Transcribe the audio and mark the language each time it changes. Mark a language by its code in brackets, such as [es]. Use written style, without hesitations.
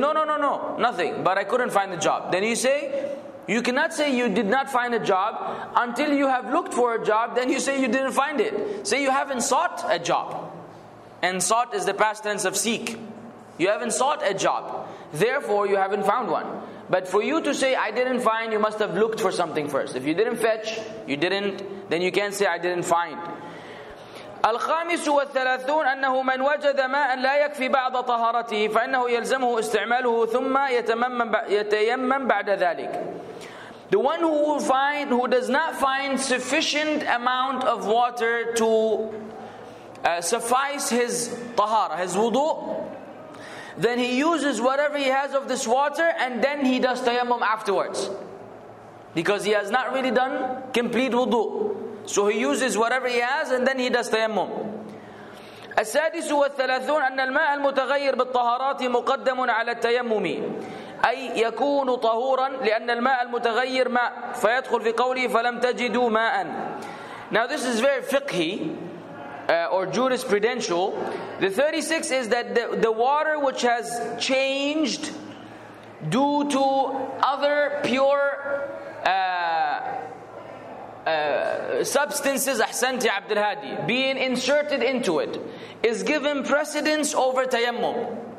[en] No, nothing. But I couldn't find a job. Then you say, you cannot say you did not find a job until you have looked for a job, then you say you didn't find it. Say you haven't sought a job. And sought is the past tense of seek. You haven't sought a job. Therefore, you haven't found one. But for you to say, I didn't find, you must have looked for something first. If you didn't fetch, you didn't, then you can't say, I didn't find. [ar] الخامس والثلاثون أنه من وجد ماء لا يكفي بعض طهارته فإنه يلزمه استعماله ثم يتيمم بعد ذلك. [en] The one who does not find sufficient amount of water to suffice his tahara, his wudu, then he uses whatever he has of this water and then he does tayammum afterwards. Because he has not really done complete wudu. So he uses whatever he has and then he does tayammum. [ar] السادس والثلاثون أن الماء المتغير بالطهارات مقدم على التيمم. أي يكون طهورا لأن الماء المتغير ماء فيدخل في قوله فلم تجدوا ماء. [en] Now this is very fiqhi, or jurisprudential. The 36 is that the water which has changed due to other pure substances, Ahsanti Abdul Hadi, being inserted into it, is given precedence over tayammum.